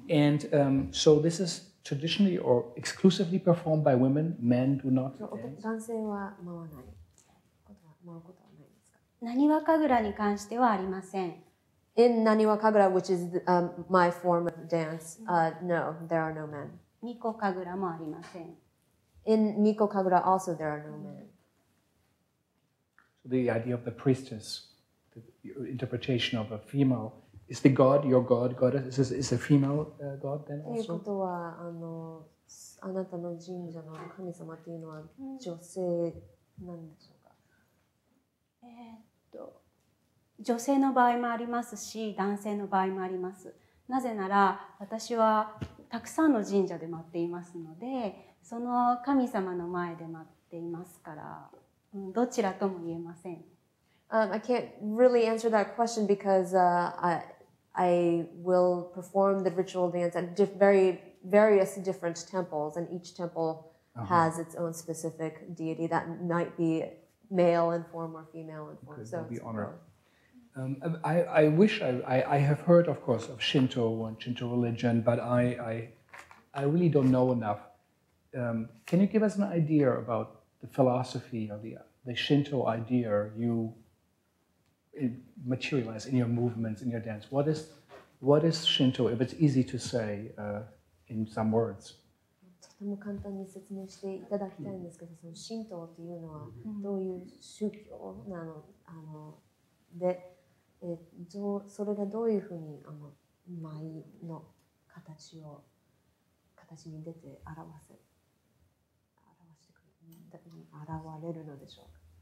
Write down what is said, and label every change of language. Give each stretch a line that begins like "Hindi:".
English: And so this is traditionally or exclusively performed by women. Men do not
Japanese: dance. 男性は舞わない。舞うことはないですか？なにわかぐらに関してはありません。
English: In なにわかぐら, which is my form of dance, no, there are no men.
Japanese: みこかぐらもありません。
English: In みこかぐら, also there are no men. So the idea of the priestess. Your interpretation of a female is the god, your god, goddess is a female god then also?
Japanese: ということはあのあなたの神社の神様というのは女性なんでしょうか？女性の場合もありますし、男性の場合もあります。なぜなら私はたくさんの神社で待っていますので、その神様の前で待っていますから、どちらとも言えません。
English: I can't really answer that question because I will perform the ritual dance at various different temples, and each temple has its own specific deity that might be male in form or female in form. Okay, so be honored. I wish I have heard, of course, of Shinto and Shinto religion, but I really don't know enough. Can you give us an idea about the philosophy or the Shinto idea you... materialize in your movements, in your dance. What is Shinto, if it's easy to say in some words?
Japanese: とても簡単に説明していただきたいんですけど、その神道というのはどういう宗教なの、あの、で、どう、それがどういうふうに、あの、舞の形に出て現れるのでしょうか。